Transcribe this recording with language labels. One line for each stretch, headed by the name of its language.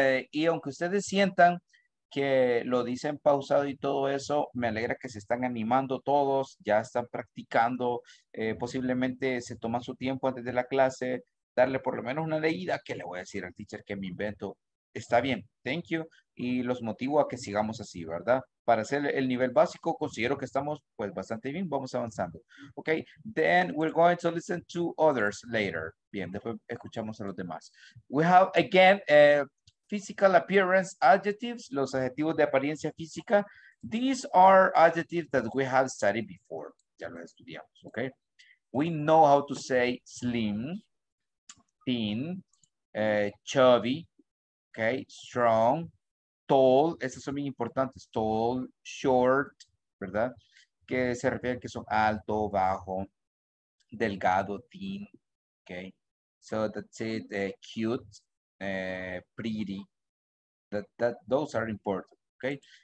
Spanish: Y aunque ustedes sientan que lo dicen pausado y todo eso, me alegra que se están animando todos, ya están practicando, posiblemente se toman su tiempo antes de la clase, darle por lo menos una leída, que le voy a decir al teacher que me invento. Está bien,
English: thank you.
Spanish: Y los motivo a que sigamos así, ¿verdad? Para hacer el nivel básico, considero que estamos pues bastante bien, vamos avanzando.
English: Ok, then we're going to listen to others later.
Spanish: Bien, después escuchamos a los demás.
English: We have, again, physical appearance adjectives,
Spanish: los adjetivos de apariencia física.
English: These are adjectives that we have studied before.
Spanish: Ya los estudiamos, ok.
English: We know how to say slim, thin, chubby, ok, strong, tall, esas son bien importantes, tall, short,
Spanish: ¿verdad? Que se refieren que son alto, bajo, delgado, thin, ok.
English: So that's it, cute, pretty, those are important, ok.